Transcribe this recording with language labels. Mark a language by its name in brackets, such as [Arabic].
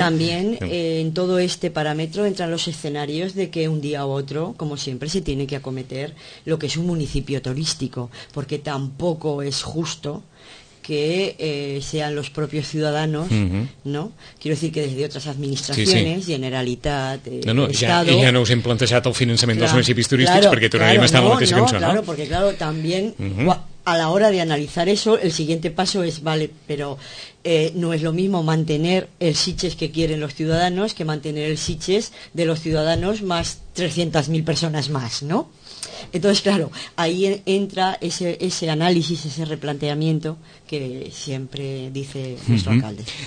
[Spanish] También en todo este parámetro entran los escenarios de que un día u otro, como siempre, se tiene que acometer lo que es un municipio turístico, porque tampoco es justo que sean los propios ciudadanos, ¿no? Quiero decir que desde otras administraciones, Generalitat, Estado... [Catalan] Ja no us hem plantejat el finançament dels municipis turístics perquè tornaríem a estar en la mateixa cançó, no? [Spanish] Claro, porque claro, también a la hora de analizar eso, el siguiente paso es, vale, pero no es lo mismo mantener el Sitges que quieren los ciudadanos que mantener el Sitges de los ciudadanos más 300.000 personas más, ¿no? Entonces, claro, ahí entra ese análisis, ese replanteamiento que siempre dice nuestro alcalde.